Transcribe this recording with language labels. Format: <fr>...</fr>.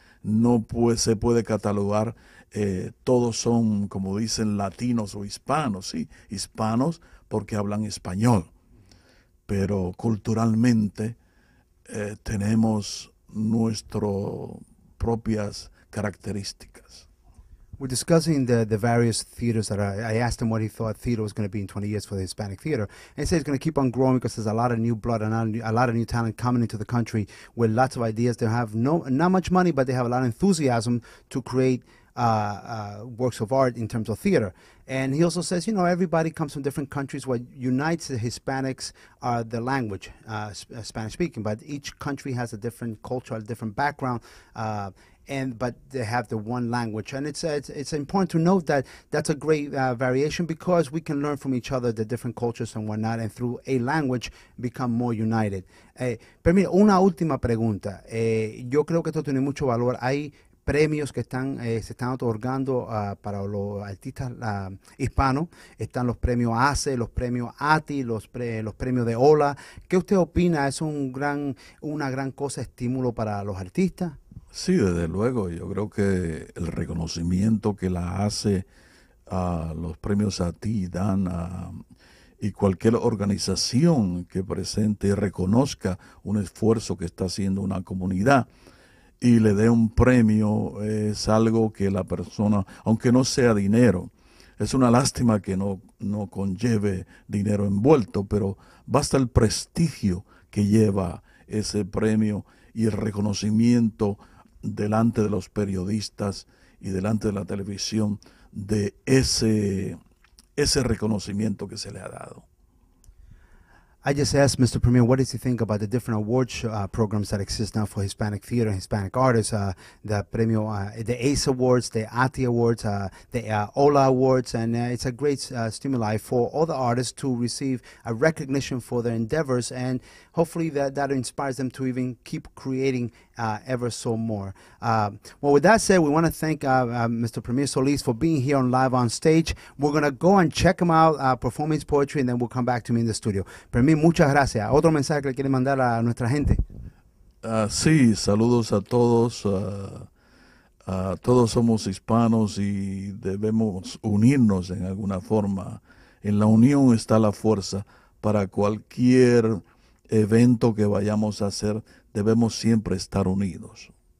<es>No pues, se puede catalogar, todos son, como dicen, latinos o hispanos, sí, hispanos porque hablan español, pero culturalmente tenemos nuestro propias características.</es> <en>We're discussing the various theaters that I asked him what he thought theater was going to be in 20 years for the Hispanic theater. And he said it's going to keep on growing because there's a lot of new blood and a lot of new talent coming into the country with lots of ideas. They have not much money, but they have a lot of enthusiasm to create works of art in terms of theater. And he also says, you know, everybody comes from different countries. What unites the Hispanics are the language, Spanish speaking, but each country has a different culture, a different background, but they have the one language. And it's important to note that that's a great variation, because we can learn from each other the different cultures and whatnot, and through a language become more united.</en> <es>Permite una última pregunta. Yo creo que esto tiene mucho valor. Hay premios que están se están otorgando para los artistas hispanos. Están los premios ACE, los premios ATI, los premios de OLA. ¿Qué usted opina? ¿Es una gran cosa, estímulo para los artistas? Sí, desde luego. Yo creo que el reconocimiento que la ACE, los premios ATI dan y cualquier organización que presente y reconozca un esfuerzo que está haciendo una comunidad y le dé un premio, es algo que la persona, aunque no sea dinero, es una lástima que no conlleve dinero envuelto, pero basta el prestigio que lleva ese premio y el reconocimiento delante de los periodistas y delante de la televisión de ese reconocimiento que se le ha dado.</es> <en>I just asked Mr. Premier, what does he think about the different award programs that exist now for Hispanic theater and Hispanic artists, the Premio, the ACE Awards, the ATI Awards, the OLA Awards, and it's a great stimuli for all the artists to receive a recognition for their endeavors, and hopefully that inspires them to even keep creating ever so more. Well, with that said, we want to thank Mr. Premier Solis for being here on Live on Stage. We're going to go and check him out, perform his poetry, and then we'll come back to me in the studio.</en> <es>Premier, muchas gracias. ¿Otro mensaje que le quiere mandar a nuestra gente? Sí, saludos a todos. Todos somos hispanos y debemos unirnos en alguna forma. En la unión está la fuerza. Para cualquier evento que vayamos a hacer, debemos siempre estar unidos.</es>